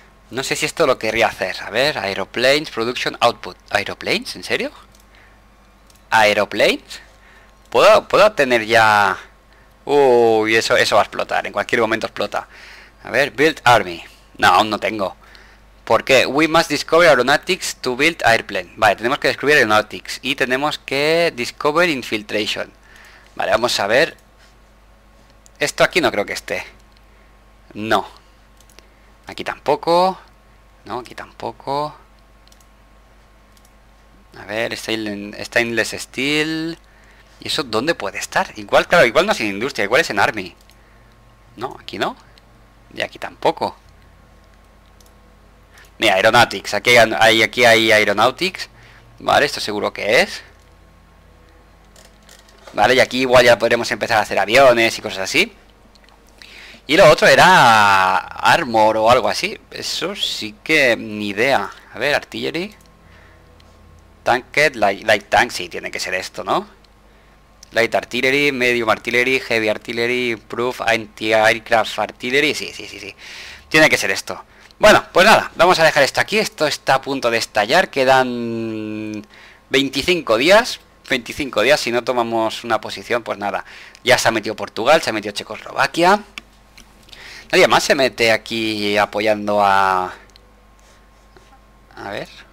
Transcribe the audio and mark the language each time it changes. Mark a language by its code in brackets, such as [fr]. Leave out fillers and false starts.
[es] No sé si esto lo querría hacer. A ver, [en] aeroplanes, production, output. [es] ¿Aeroplanes? ¿En serio? ¿Aeroplanes? ¿Puedo tener ya? Uy, eso va a explotar. En cualquier momento explota. A ver, [en] build army. [es] No, aún no tengo. ¿Por qué? [en] We must discover aeronautics to build airplane. [es] Vale, tenemos que descubrir aeronautics. Y tenemos que [en] discover infiltration. [es] Vale, vamos a ver. Esto aquí no creo que esté. No. Aquí tampoco. No, aquí tampoco. A ver, [en] stainless steel. [es] ¿Y eso dónde puede estar? Igual, claro, igual no es en industria, igual es en army. No, aquí no. Y aquí tampoco. Mira, aeronautics. Aquí hay aeronautics. Vale, esto seguro que es. ¿vale? Y aquí igual ya podremos empezar a hacer aviones y cosas así. Y lo otro era armor o algo así. Eso sí que ni idea. A ver, artillery. Tanket, [en] light tank, [es] sí, tiene que ser esto, ¿no? [en] Light artillery, medium artillery, heavy artillery, proof, anti-aircraft artillery. [es] Sí. Tiene que ser esto. Bueno, pues nada, vamos a dejar esto aquí. Esto está a punto de estallar. Quedan 25 días. 25 días, si no tomamos una posición, pues nada. Ya se ha metido Portugal, se ha metido Checoslovaquia. Nadie más se mete aquí apoyando a... A ver.